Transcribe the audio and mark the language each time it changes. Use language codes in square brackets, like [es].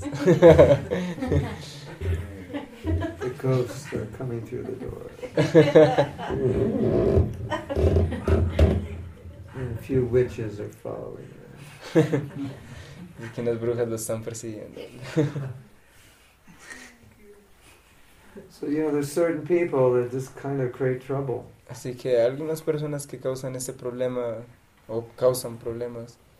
[en] The ghosts are coming through the door. And a few witches are following [es] them. Y que las brujas lo están persiguiendo. [en] So you know, there's certain people that just kind of create trouble. [es] Así que hay algunas personas que causan ese problema o causan problemas.